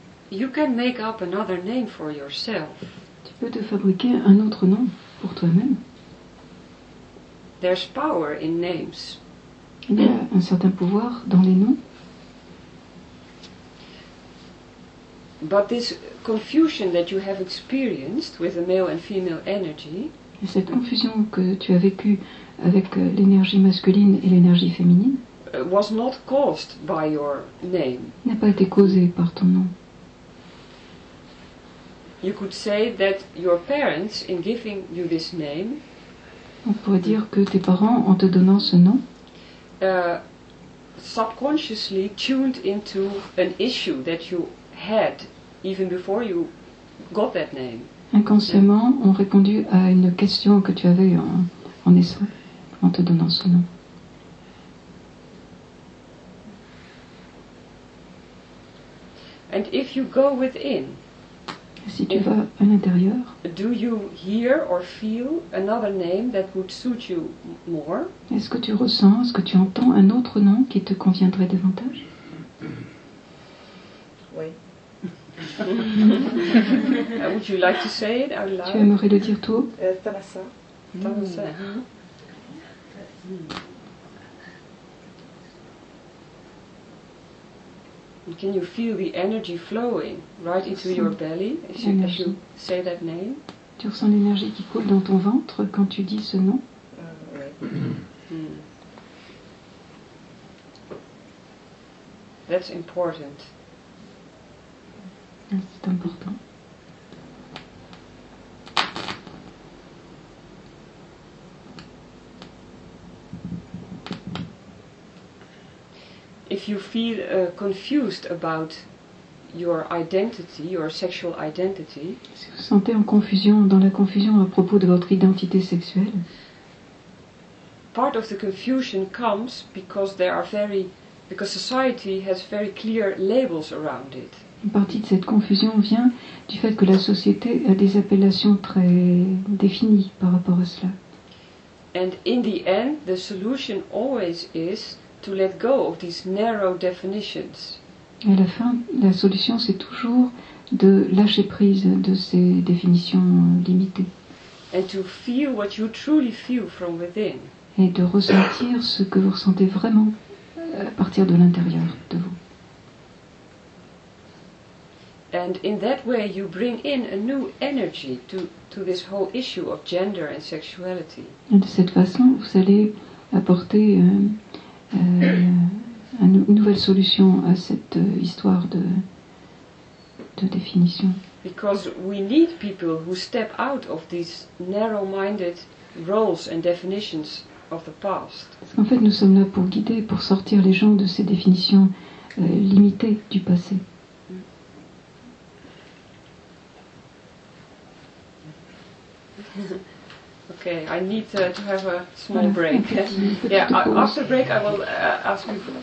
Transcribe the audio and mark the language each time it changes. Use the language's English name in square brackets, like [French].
[English] You can make up another name for yourself. [French] Tu peux te fabriquer un autre nom pour toi-même. [English] There's power in names. [French] Il y a un certain pouvoir dans les noms. [English] But this confusion that you have experienced with the male and female energy. [French] Cette confusion que tu as vécue avec l'énergie masculine et l'énergie féminine. [English] Was not caused by your name. [French] N'a pas été causée par ton nom. [English] You could say that your parents, in giving you this name, [French] on pourrait dire que tes parents, en te donnant ce nom, [English] subconsciously tuned into an issue that you had even before you got that name. [French] Inconsciemment, ont répondu à une question que tu avais en essai, en te donnant ce nom. [English] And if you go within. [French] Si tu vas à l'intérieur, [English] do you hear or feel another name that would suit you more? [French] Est-ce que tu ressens, est-ce que tu entends un autre nom qui te conviendrait davantage? Oui. [English] Would you like to say it out loud? [French] Tu aimerais le dire toi? Tamasa. Tamasa. [English] Can you feel the energy flowing right into your belly as you say that name? [French] Tu ressens l'énergie qui coule dans ton ventre quand tu dis ce nom? [English] That's important. [French] C'est important. [English] If you feel confused about your identity, your sexual identity, [French] si vous sentez en confusion, dans la confusion à propos de votre identité sexuelle, [English] part of the confusion comes because there are very, because society has very clear labels around it. [French] Une partie de cette confusion vient du fait que la société a des appellations très définies par rapport à cela. [English] And in the end, the solution always is to let go of these narrow definitions. [French] Et à la fin, la solution, c'est toujours de lâcher prise de ces définitions limitées. [English] And to feel what you truly feel from within. [French] Et de ressentir ce que vous ressentez vraiment à partir de l'intérieur de vous. [English] And in that way, you bring in a new energy to this whole issue of gender and sexuality. [French] Et de cette façon, vous allez apporter une nouvelle solution à cette histoire de définition. [English] Because we need people who step out of these narrow-minded roles and definitions of the past. [French] Parce qu'en fait, nous sommes là pour guider, pour sortir les gens de ces définitions limitées du passé. [English] Okay, I need to have a small break. Yeah, after break I will ask you.